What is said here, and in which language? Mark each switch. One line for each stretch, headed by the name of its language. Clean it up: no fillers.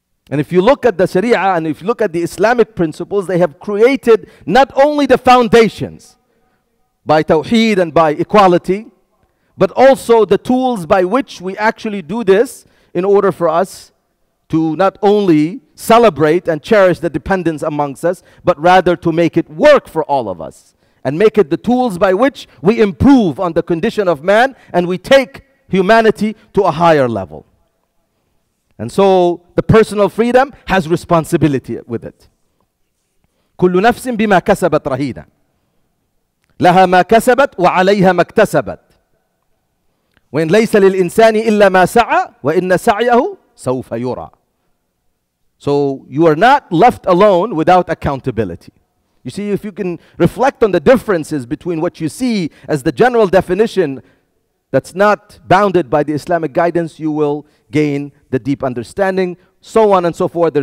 English: And if you look at the Sharia and if you look at the Islamic principles, they have created not only the foundations by tawheed and by equality, but also the tools by which we actually do this in order for us to not only celebrate and cherish the dependence amongst us, but rather to make it work for all of us and make it the tools by which we improve on the condition of man and we take humanity to a higher level. And so the personal freedom has responsibility with it.
Arabic: كل نفس بما كسبت رهينة لها ما كسبت وعليها ما اكتسبت وإن ليس للإنسان إلا ما سعى وإن سعيه سوف يرى.
English: So you are not left alone without accountability. You see, if you can reflect on the differences between what you see as the general definition that's not bounded by the Islamic guidance, you will gain the deep understanding, so on and so forth.